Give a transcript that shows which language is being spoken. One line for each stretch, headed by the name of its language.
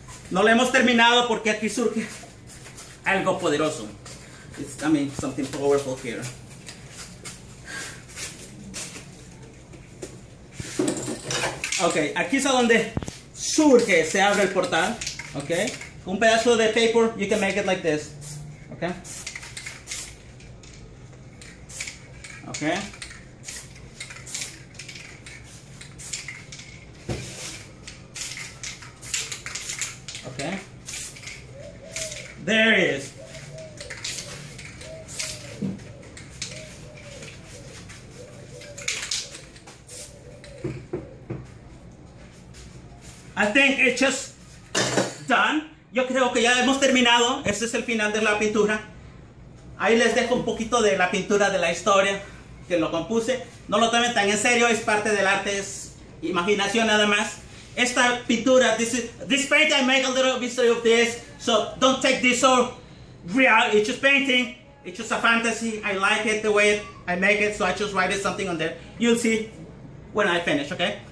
Spanish: No lo hemos terminado porque aquí surge algo poderoso.
English: It's coming, something powerful here.
Spanish: Ok, aquí es a donde surge, se abre el portal.
English: Ok,
Spanish: un pedazo de
English: paper, you can make it like this. Ok. Ok. There it is. I think it's just done.
Spanish: Yo creo que ya hemos terminado. Este es el final de la pintura. Ahí les dejo un poquito de la pintura de la historia que lo compuse. No lo tomen tan en serio. Es parte del arte. Es imaginación nada más. Esta pintura,
English: this painting, I make a little history of this, so don't take this all real, it's just painting, it's just a fantasy, I like it the way I make it, so I just write it something on there, you'll see when I finish, okay?